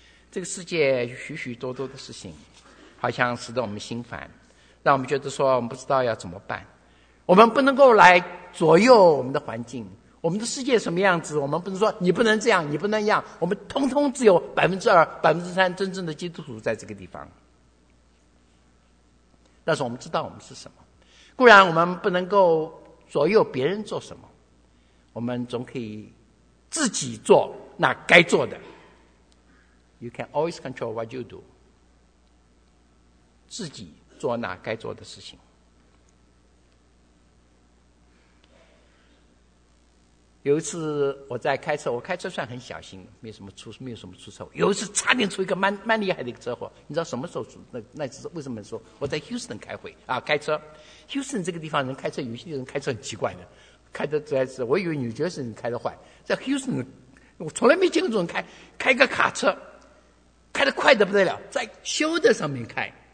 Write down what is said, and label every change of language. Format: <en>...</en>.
<zh>这个世界许许多多的事情好像使得我们心烦，让我们觉得说我们不知道要怎么办，我们不能够来左右我们的环境，我们的世界什么样子，我们不能说你不能这样你不能样，我们通通只有2%、3%真正的基督徒在这个地方。但是我们知道我们是什么，固然我们不能够左右别人做什么，我们总可以自己做那该做的。</zh> <en>You can always control what you do，自己做那该做的事情。</en> <zh>有一次我在开车，我开车算很小心，没有什么出车祸。有一次差点出一个蛮厉害的一个车祸，你知道什么时候出？那是为什么说我在 Houston 开会啊？开车 ，Houston 这个地方人开车，有些人开车很奇怪的，开的主要是我以为 New Jersey 人开的坏，在 Houston 我从来没见过这种开个卡车，开的快得不得了，在 shoulder 上面开。</zh>